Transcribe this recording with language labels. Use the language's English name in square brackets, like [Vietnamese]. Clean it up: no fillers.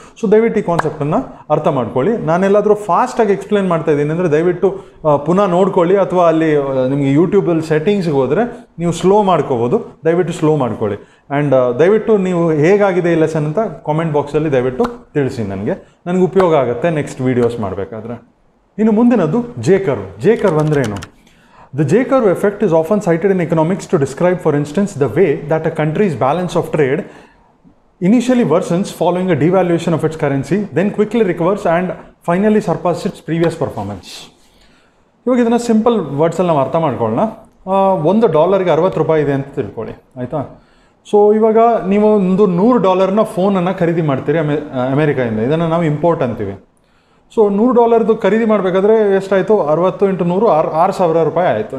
[Kannada] So ದಯವಿಟ್ಟು ಈ ಕಾನ್ಸೆಪ್ಟನ್ನು ಅರ್ಥ ಮಾಡ್ಕೊಳ್ಳಿ. ನಾನೆಲ್ಲಾದರೂ ಫಾಸ್ಟಾಗಿ ಎಕ್ಸ್ಪ್ಲೇನ್ ಮಾಡ್ತಾ ಇದ್ದೀನಿ ಅಂದರೆ ದಯವಿಟ್ಟು ಪುನಃ ನೋಡ್ಕೊಳ್ಳಿ, ಅಥವಾ ಅಲ್ಲಿ ನಿಮಗೆ ಯೂಟ್ಯೂಬಲ್ಲಿ ಸೆಟ್ಟಿಂಗ್ಸ್ಗೆ ಹೋದರೆ ನೀವು ಸ್ಲೋ ಮಾಡ್ಕೋಬೋದು, ದಯವಿಟ್ಟು ಸ್ಲೋ ಮಾಡ್ಕೊಳ್ಳಿ. ಆ್ಯಂಡ್ ದಯವಿಟ್ಟು ನೀವು ಹೇಗಾಗಿದೆ ಈ ಲೆಸನ್ ಅಂತ ಕಾಮೆಂಟ್ ಬಾಕ್ಸಲ್ಲಿ ದಯವಿಟ್ಟು ತಿಳಿಸಿ, ನನಗೆ ಉಪಯೋಗ ಆಗುತ್ತೆ ನೆಕ್ಸ್ಟ್ ವೀಡಿಯೋಸ್ ಮಾಡಬೇಕಾದ್ರೆ. ಇನ್ನು ಮುಂದಿನದು ಜೇಕರ್. ಜೇಕರ್ ಅಂದ್ರೆ ಏನು? [English] The J-curve effect is often cited in economics to describe, for instance, the way that a country's balance of trade initially worsens following a devaluation of its currency, then quickly recovers and finally surpasses its previous performance. [Kannada] ಇವಾಗ ಇದನ್ನು simple ವರ್ಡ್ಸಲ್ಲಿ ನಾವು ಅರ್ಥ ಮಾಡ್ಕೊಳ್ಳೋಣ. ಒಂದು ಡಾಲರ್ಗೆ 60 ರೂಪಾಯಿ ಇದೆ ಅಂತ ತಿಳ್ಕೊಳ್ಳಿ, ಆಯಿತಾ? ಸೊ ಇವಾಗ ನೀವು ಒಂದು $100 ಫೋನನ್ನು ಖರೀದಿ ಮಾಡ್ತೀರಿ ಅಮೆರಿಕಾದಿಂದ, ಇದನ್ನು ನಾವು ಇಂಪೋರ್ಟ್ ಅಂತೀವಿ. ಸೊ $100 ಖರೀದಿ ಮಾಡಬೇಕಾದ್ರೆ ಎಷ್ಟಾಯಿತು? 60 × 100 6,000 ರೂಪಾಯಿ ಆಯಿತು.